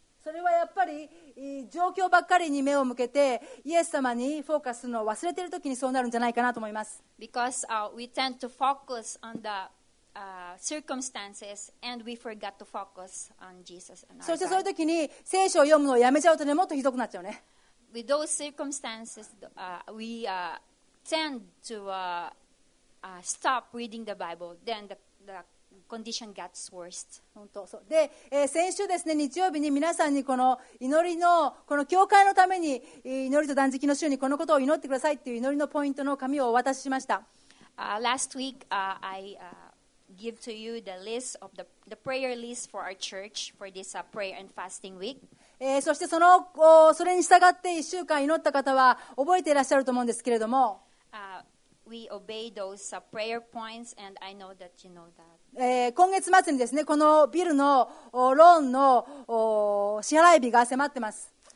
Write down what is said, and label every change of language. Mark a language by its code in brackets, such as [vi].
[ja] それはやっぱり状況ばっかりに目を向けてイエス様にフォーカスするのを忘れているときにそうなるんじゃないかなと思います。 [en] Because we tend to focus on thecircumstances and we forgot to focus on Jesus and our God. [ja] そしてそういうときに聖書を読むのをやめちゃうとね、もっとひどくなっちゃうね。 [en] With those circumstances, we tend to stop reading the Bible. Then the condition gets worse. [ja] 本当そう。で、先週ですね、日曜日に皆さんにこの祈りの、この教会のために祈りと断食の週にこのことを祈ってくださいっていう祈りのポイントの紙をお渡ししました。 [en] Last week, I give to you the list of the prayer list for our church for this prayer and fasting week. [ja] そしてそれに従って1週間祈った方は覚えていらっしゃると思うんですけれども、 [en] we obey those prayer points and I know that you know that. [ja] 今月末にですね、このビルのローンの支払い日が迫ってます。